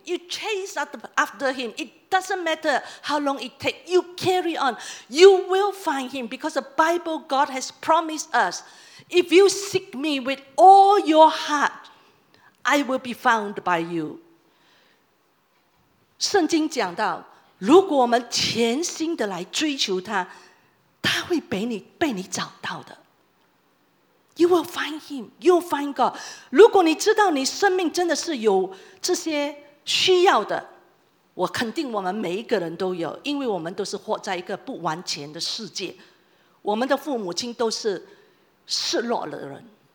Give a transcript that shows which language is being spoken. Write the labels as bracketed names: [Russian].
[English] You chase after him. It doesn't matter how long it takes. You carry on. You will find him because the Bible God has promised us. If you seek me with all your heart, I will be found by you. [Chinese] 圣经讲到如果我们全心的来追求他，他会被你找到的。 [English] You will find him, you will find God. [Chinese] 如果你知道你生命真的是有这些需要的，我肯定我们每一个人都有，因为我们都是活在一个不完全的世界。我们的父母亲都是失落的人。